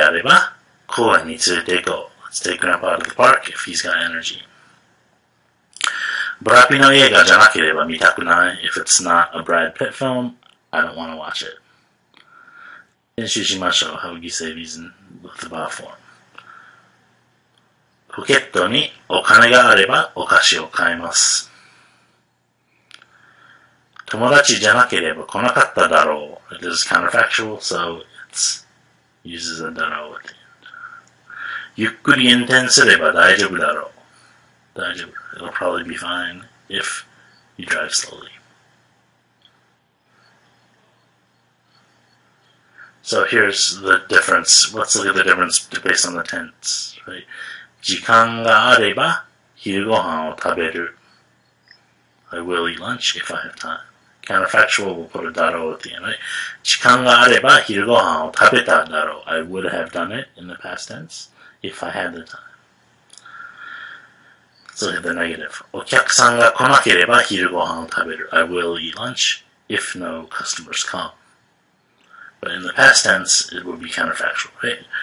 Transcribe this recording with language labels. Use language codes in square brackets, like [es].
[ja] おじいさんが元気であれば公園に連れて行こう. [en] Let's take grandpa out of the park if he's got energy. [ja] ブラピの映画じゃなければ見たくない. [en] If it's not a Brad Pitt film, I don't want to watch it. [ja] 練習しましょう. [en] How would you say these in the bar form? [ja] ポケットにお金があればお菓子を買います. 友達じゃなければ来なかっただろう. [en] This is counterfactual, so it's uses a da ra at the end. [ja] Yukkuri intensete ba daijoubu daro. Daijoubu. [en] It'll probably be fine if you drive slowly. So here's the difference. Let's look at the difference based on the tense, right? [ja] 時間があれば昼ご飯を食べる. [en] I will eat lunch if I have time. Counterfactual, we'll put a daro at the end, right? [ja] 時間があれば昼ご飯を食べただろう. [en] I would have done it in the past tense if I had the time. Let's look at the negative. [ja] お客さんが来なければ昼ご飯を食べる. [en] I will eat lunch if no customers come. But in the past tense, it would be counterfactual, right?